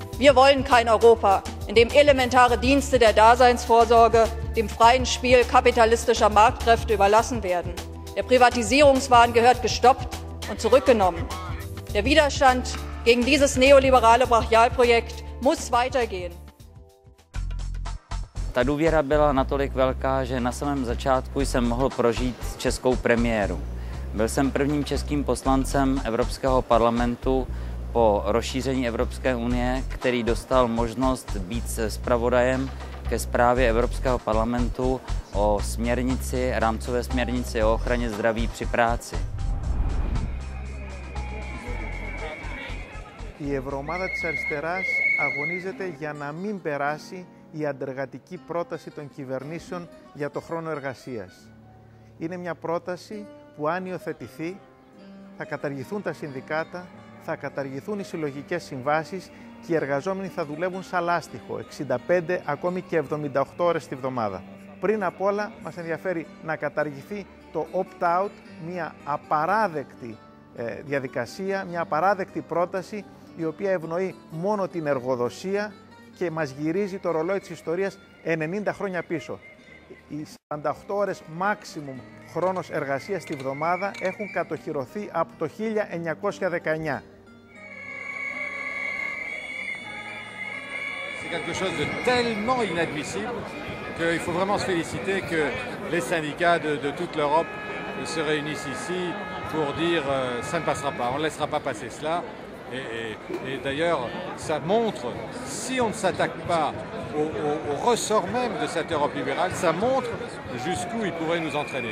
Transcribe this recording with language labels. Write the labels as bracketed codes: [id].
[de] Wir wollen kein Europa, in dem elementare Dienste der Daseinsvorsorge dem freien Spiel kapitalistischer Marktkräfte überlassen werden. Der Privatisierungswahn gehört gestoppt und zurückgenommen. Der Widerstand gegen dieses neoliberale Brachialprojekt muss weitergehen. [cs] Ta důvěra byla natolik velká, že na samém začátku jsem mohl prožít českou premiéru. Byl jsem prvním českým poslancem Evropského parlamentu po rozšíření Evropské unie, který dostal možnost být zpravodajem ke zprávě Evropského parlamentu o směrnici, rámcové směrnici o ochraně zdraví při práci. [el] Η ευρωομάδα της αριστεράς αγωνίζεται για να μην περάσει η αντεργατική πρόταση των κυβερνήσεων για το χρόνο εργασίας. Είναι μια πρόταση που αν υιοθετηθεί θα καταργηθούν τα συνδικάτα, θα καταργηθούν οι συλλογικές συμβάσεις και οι εργαζόμενοι θα δουλεύουν σαν λάστιχο, 65 ακόμη και 78 ώρες τη βδομάδα. Πριν απ' όλα μας ενδιαφέρει να καταργηθεί το opt-out, μια απαράδεκτη διαδικασία, μια απαράδεκτη πρόταση η οποία ευνοεί μόνο την εργοδοσία και μας γυρίζει το ρολόι της ιστορίας 90 χρόνια πίσω. Οι 48 ώρες maximum χρόνος εργασίας τη βδομάδα έχουν κατοχυρωθεί από το 1919. [fr] C'est quelque chose de tellement inadmissible qu'il faut vraiment se féliciter que les syndicats de toute l'Europe se réunissent ici pour dire ça ne passera pas, on ne laissera pas passer cela. Et d'ailleurs, ça montre, si on ne s'attaque pas au ressort même de cette Europe libérale, ça montre jusqu'où il pourrait nous entraîner.